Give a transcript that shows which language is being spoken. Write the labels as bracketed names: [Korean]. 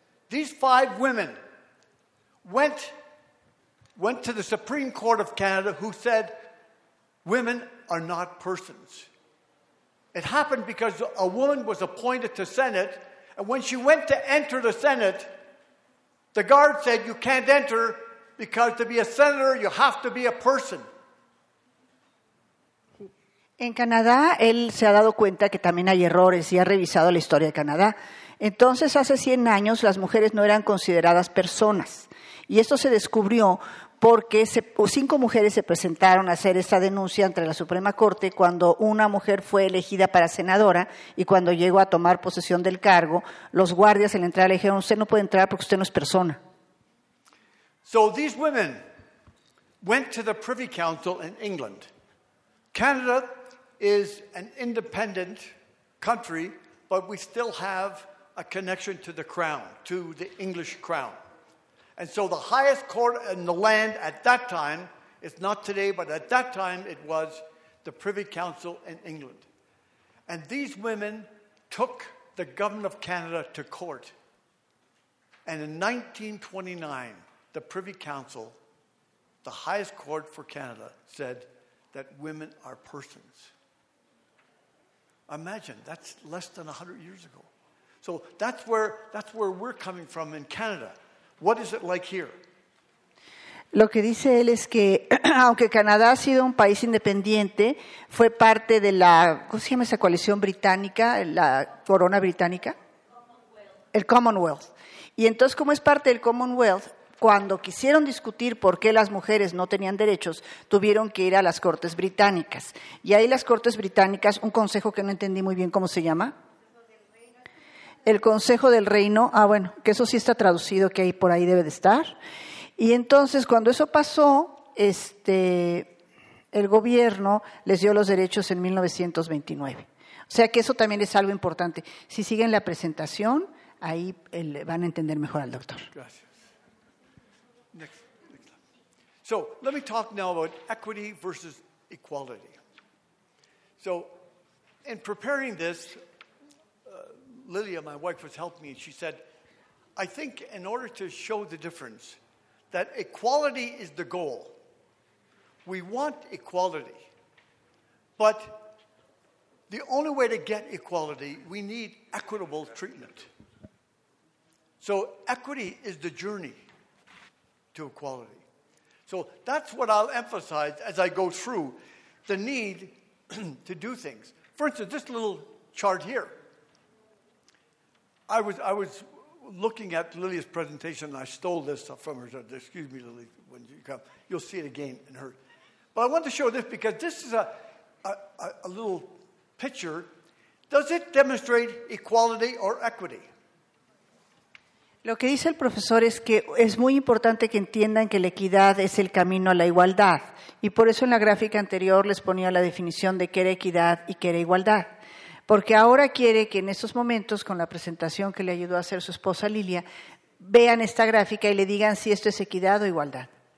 [English] These five women went to the Supreme Court of Canada, who said, women are not persons. It happened because a woman was appointed to Senate, and when she went to enter the Senate, the guard said, you can't enter. Because to be a senator, you have to be a person. [Spanish] En Canadá, él se ha dado cuenta que también hay errores y ha revisado la historia de Canadá. Entonces, hace 100 años, las mujeres no eran consideradas personas. Y esto se descubrió porque 5 mujeres se presentaron a hacer esta denuncia ante la Suprema Corte cuando una mujer fue elegida para senadora y cuando llegó a tomar posesión del cargo, los guardias en la entrada le dijeron, usted no puede entrar porque usted no es persona. [English] So these women went to the Privy Council in England. Canada is an independent country, but we still have a connection to the crown, to the English crown. And so the highest court in the land at that time, it's not today, but at that time it was the Privy Council in England. And these women took the government of Canada to court. And in 1929, the Privy Council, the highest court for Canada, said that women are persons. Imagine, that's less than 100 years ago. So that's where we're coming from in Canada. What is it like here? [Spanish] Lo que dice él es que, aunque Canadá ha sido un país independiente, fue parte de la, ¿cómo se llama esa coalición británica, la corona británica? [English] Commonwealth. [Spanish] El Commonwealth. Y entonces, ¿cómo es parte del Commonwealth? Cuando quisieron discutir por qué las mujeres no tenían derechos, tuvieron que ir a las Cortes Británicas. Y ahí las Cortes Británicas, un consejo que no entendí muy bien cómo se llama. El Consejo del Reino. Ah, bueno, que eso sí está traducido, que ahí por ahí debe de estar. Y entonces, cuando eso pasó, el gobierno les dio los derechos en 1929. O sea que eso también es algo importante. Si siguen la presentación, ahí van a entender mejor al doctor. Gracias. [English] Next. So let me talk now about equity versus equality. So in preparing this, Lilia, my wife, was helping me, and she said, I think in order to show the difference, that equality is the goal. We want equality. But the only way to get equality, we need equitable treatment. So equity is the journey to equality. So that's what I'll emphasize as I go through the need to do things. For instance, this little chart here. I was looking at Lilia's presentation, and I stole this from her. Excuse me, Lilia, when you come. You'll see it again in her. But I want to show this because this is a little picture. Does it demonstrate equality or equity? [Spanish] Lo que dice el profesor es que es muy importante que entiendan que la equidad es el camino a la igualdad. Y por eso en la gráfica anterior les ponía la definición de qué era equidad y qué era igualdad. Porque ahora quiere que en estos momentos, con la presentación que le ayudó a hacer su esposa Lilia, vean esta gráfica y le digan si esto es equidad o igualdad.